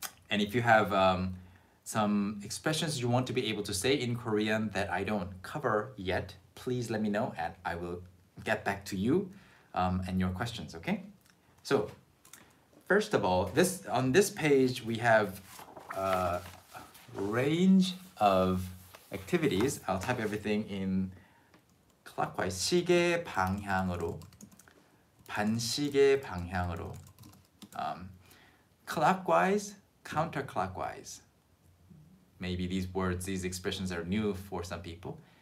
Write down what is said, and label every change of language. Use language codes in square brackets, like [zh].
[en] And if you have some expressions you want to be able to say in Korean that I don't cover yet, please let me know and I will get back to you and your questions, okay? So, first of all, this, on this page, we have a range of activities. I'll type everything in clockwise. [ko] 시계방향으로, 반시계방향으로. [en] Clockwise, counterclockwise. Maybe these words, these expressions are new for some people.